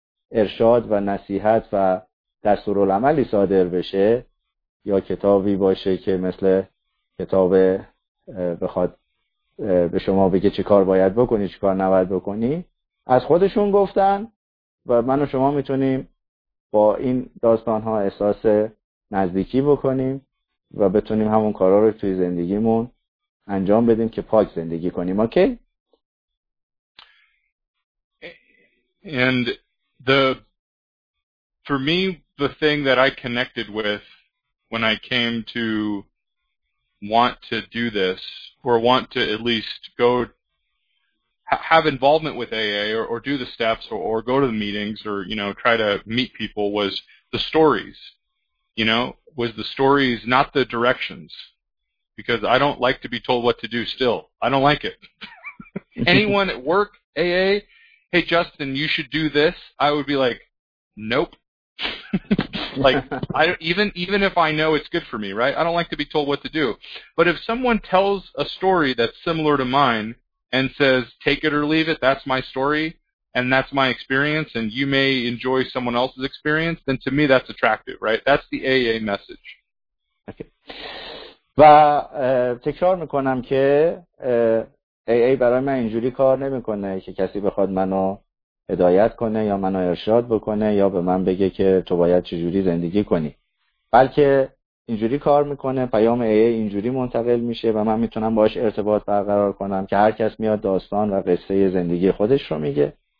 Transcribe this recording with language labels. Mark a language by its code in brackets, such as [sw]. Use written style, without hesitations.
[fa] ارشاد و نصیحت و دستورالعملی صادر بشه یا کتابی باشه که مثل کتاب بخواد به شما بگه چی کار باید بکنی چی کار نباید بکنی، از خودشون گفتن و من و شما میتونیم با این داستان‌ها احساس نزدیکی بکنیم و بتونیم همون کارا رو توی زندگیمون انجام بدیم که پاک زندگی کنیم. [en] Okay? And the for me the thing that I connected with when I came to want to do this or want to at least go have involvement with AA or do the steps or go to the meetings or you know try to meet people was the stories. You know, was the stories, not the directions. Because I don't like to be told what to do still. I don't like it. Anyone at work, AA, hey, Justin, you should do this, I would be like, nope. Like, even if I know it's good for me, right? I don't like to be told what to do. But if someone tells a story that's similar to mine and says, take it or leave it, that's my story and that's my experience, and you may enjoy someone else's experience, then to me that's attractive, right? That's the AA message. [fa] و تکرار میکنم که AA برای من اینجوری کار نمیکنه که کسی بخواد منو هدایت کنه یا منو ارشاد بکنه یا به من بگه که تو باید چجوری زندگی کنی، بلکه اینجوری کار میکنه، پیام AA اینجوری منتقل میشه و من میتونم باش ارتباط برقرار کنم که هر کس میاد داستان و قصه زندگی خودش رو میگه